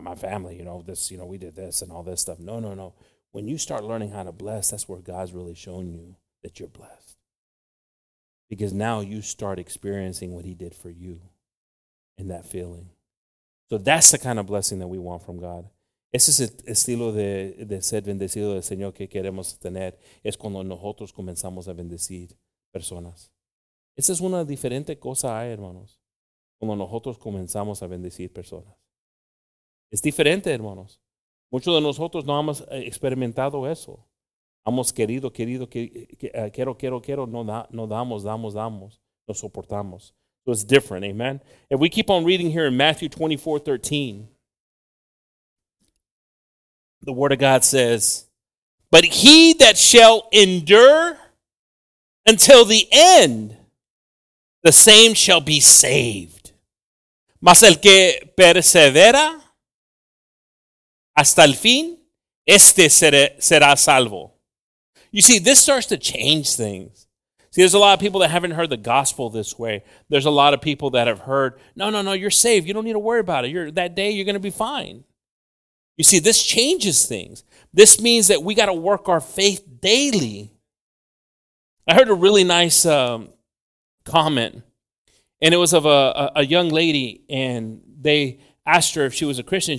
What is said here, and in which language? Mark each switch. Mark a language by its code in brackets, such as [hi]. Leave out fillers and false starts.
[en] My family, you know, this, you know, we did this and all this stuff. No. When you start learning how to bless, that's where God's really shown you that you're blessed. Because now you start experiencing what he did for you and that feeling. So that's the kind of blessing that we want from God. [es] Ese es el estilo de ser bendecido del Señor que queremos tener. Es cuando nosotros comenzamos a bendecir personas. Esa es una diferente cosa, hermanos. Cuando nosotros comenzamos a bendecir personas. Es diferente, hermanos. Muchos de nosotros no hemos experimentado eso. Hemos querido, quiero. No damos. No soportamos. [en] So it's different, amen? If we keep on reading here in Matthew 24:13, the word of God says, but he that shall endure until the end, the same shall be saved. [es] Mas el que persevera hasta el fin, este será salvo. [en] You see, this starts to change things. See, there's a lot of people that haven't heard the gospel this way. There's a lot of people that have heard, no, you're saved. You don't need to worry about it. That day, you're going to be fine. You see, this changes things. This means that we got to work our faith daily. I heard a really nice comment, and it was of a young lady, and they asked her if she was a Christian.